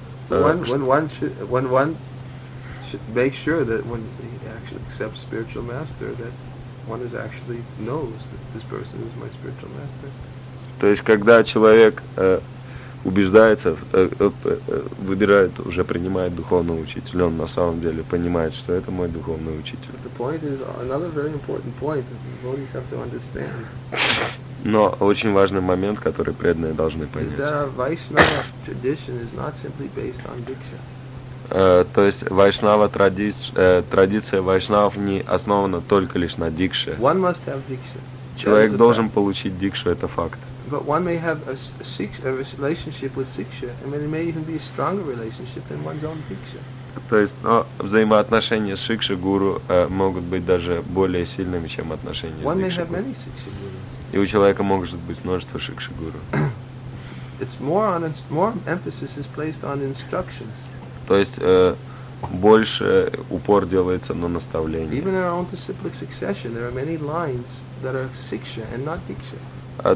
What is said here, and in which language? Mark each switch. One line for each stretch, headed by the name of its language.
English: when one should make sure that when he actually accepts spiritual master, that one is actually knows that this person is my spiritual master.
Russian: То есть, когда человек убеждается, выбирает, уже принимает духовного учителя, он на самом деле понимает, что это мой духовный учитель.
English: The point is another very important point that devotees have to understand.
Russian: Но очень важный момент, который преданные должны понять. То есть вайшнава традиция вайшнавов не основана только лишь на дикше.
English: One must have дикша.
Russian: Человек должен получить дикшу, это факт.
English: But one may have a relationship with siksha, and it may even be a stronger relationship than one's own diksha.
Russian: То есть, но взаимоотношения с шикши гуру могут быть даже более сильными, чем отношения с дикши. One
English: may have many siksha gurus.
Russian: И у человека может быть множество шикши гуру.
English: It's more on more emphasis is placed on instructions.
Russian: То есть больше упор делается на наставления.
English: Even in our own disciplic succession, there are many lines that are siksha and not diksha.